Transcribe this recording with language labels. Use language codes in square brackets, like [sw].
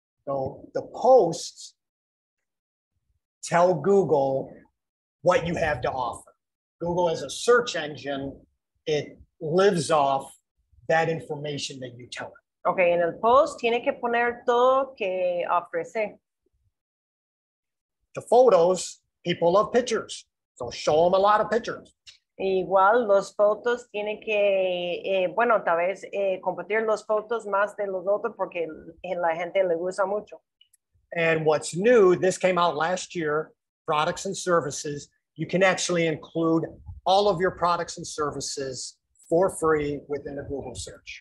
[en] So the posts tell Google what you have to offer. Google is a search engine. It lives off that information that you tell it. [es] Okay, en el post tiene que poner todo que ofrece. [en] The photos, people love pictures, so show them a lot of pictures. [es] Igual los fotos tiene que, bueno, tal vez compartir los fotos más de los otros porque en la gente le gusta mucho. [en] And what's new, this came out last year, products and services. You can actually include all of your products and services for free within a Google search.